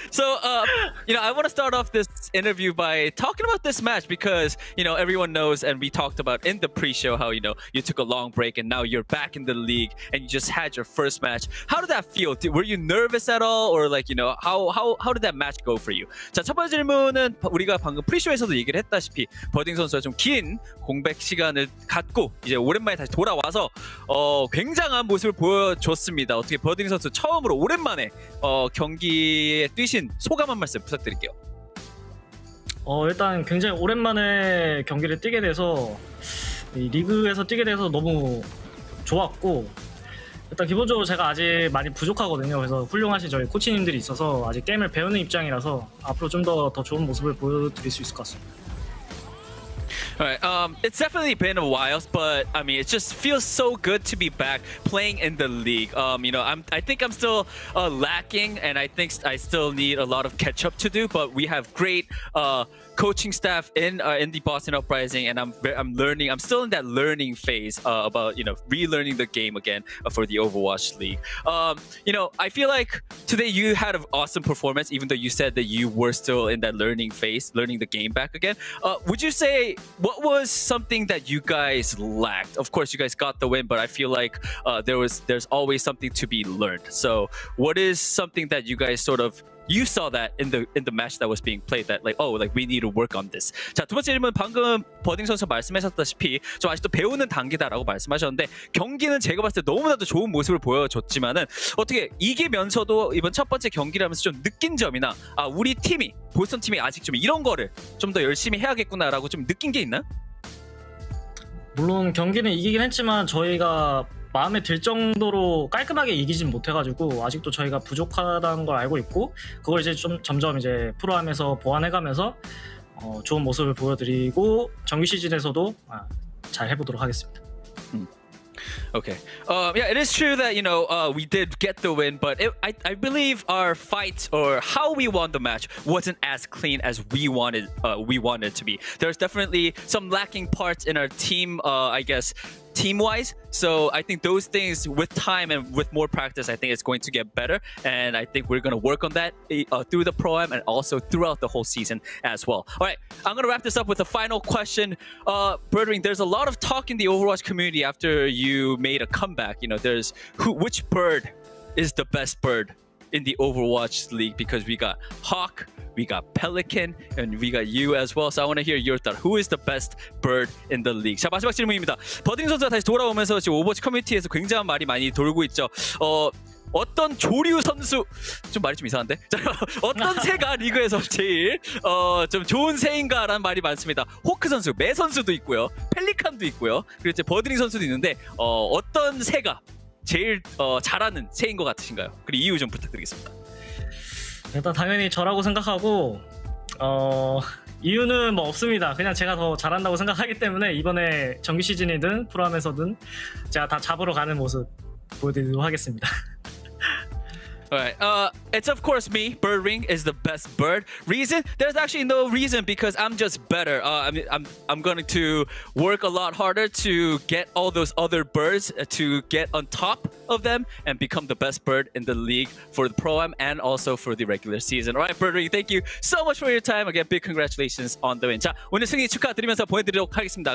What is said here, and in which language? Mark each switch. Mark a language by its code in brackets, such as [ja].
[en] So, you know, I want to start off this interview by talking about this match because, you know, everyone knows and we talked about in the pre-show how, you know, you took a long break and now you're back in the league and you just had your first match. How did that feel? Were you nervous at all? Or like, you know, how did that match go for you? [ko] 자, 첫 번째 질문은 우리가 방금 pre-show에서도 얘기를 했다시피 버딩 선수가 좀 긴 공백 시간을 갖고 이제 오랜만에 다시 돌아와서 굉장한 모습을 보여줬습니다. 어떻게 버딩 선수 처음으로 오랜만에 경기에 뛰신 소감 한 말씀 부탁드릴게요. 일단 굉장히 오랜만에 경기를 뛰게 돼서 이 리그에서 뛰게 돼서 너무 좋았고 일단 기본적으로 제가 아직 많이 부족하거든요. 그래서 훌륭하신 저희 코치님들이 있어서 아직 게임을 배우는 입장이라서 앞으로 좀 더 좋은 모습을 보여드릴 수 있을 것 같습니다. [en] Alright, it's definitely been a while, but I mean, it just feels so good to be back playing in the league. You know, I think I'm still lacking, and I think I still need a lot of catch up to do. But we have great coaching staff in the Boston Uprising, and I'm learning. I'm still in that learning phase about, you know, relearning the game again for the Overwatch League. You know, I feel like today you had an awesome performance, even though you said that you were still in that learning phase, learning the game back again. Would you say what was something that you guys lacked? Of course, you guys got the win, but I feel like there's always something to be learned. So what is something that you guys sort of, you saw that in the match that was being played that like, oh, like we need to work on this. [ko] 자, 두 번째 질문 방금 버딩 선수 말씀하셨다시피 좀 아직도 배우는 단계다라고 말씀하셨는데 경기는 제가 봤을 때 너무나도 좋은 모습을 보여줬지만은 어떻게 이기면서도 이번 첫 번째 경기라면서 좀 느낀 점이나 아, 우리 팀이 보스턴 팀이 아직 좀 이런 거를 좀 더 열심히 해야겠구나라고 좀 느낀 게 있나? 물론 경기는 이기긴 했지만 저희가 마음에 들 정도로 깔끔하게 이기진 못해가지고 아직도 저희가 부족하다는 걸 알고 있고 그걸 이제 좀 점점 이제 프로하면서 보완해가면서 좋은 모습을 보여드리고 정규 시즌에서도 잘 해보도록 하겠습니다. [en] Okay. Yeah, it is true that, you know, we did get the win, but I believe our fight or how we won the match wasn't as clean as we wanted to be. There's definitely some lacking parts in our team, I guess, team-wise. So I think those things with time and with more practice, I think it's going to get better. And I think we're going to work on that through the pro-am and also throughout the whole season as well. All right, I'm going to wrap this up with a final question. Birdwing, there's a lot of talk in the Overwatch community after you made a comeback. You know, there's which bird is the best bird in the Overwatch League? Because we got Hawk, we got Pelican, and we got you as well. So I want to hear your thought. Who is the best bird in the league? [ko] 자, 마지막 질문입니다. 버딩 선수가 다시 돌아오면서 지금 오버워치 커뮤니티에서 굉장한 말이 많이 돌고 있죠. 어떤 조류 선수, 좀 말이 좀 이상한데? 자, 어떤 새가 리그에서 제일 좀 좋은 새인가라는 말이 많습니다. 호크 선수, 매 선수도 있고요. 펠리칸도 있고요. 그리고 이제 버딩 선수도 있는데 어떤 새가 제일 잘하는 새인 것 같으신가요? 그리고 이유 좀 부탁드리겠습니다. 일단 당연히 저라고 생각하고 이유는 뭐 없습니다. 그냥 제가 더 잘한다고 생각하기 때문에 이번에 정규 시즌이든 프로암에서든 제가 다 잡으러 가는 모습 보여드리도록 하겠습니다. [en] Alright, it's of course me. Bird Ring is the best bird. Reason? There's actually no reason because I'm just better. I'm going to work a lot harder to get all those other birds to get on top of them and become the best bird in the league for the pro-am and also for the regular season. Alright, Bird Ring, thank you so much for your time. Again, big congratulations on the win. [ko] 자, 오늘 승리 축하드리면서 보내드리도록 하겠습니다.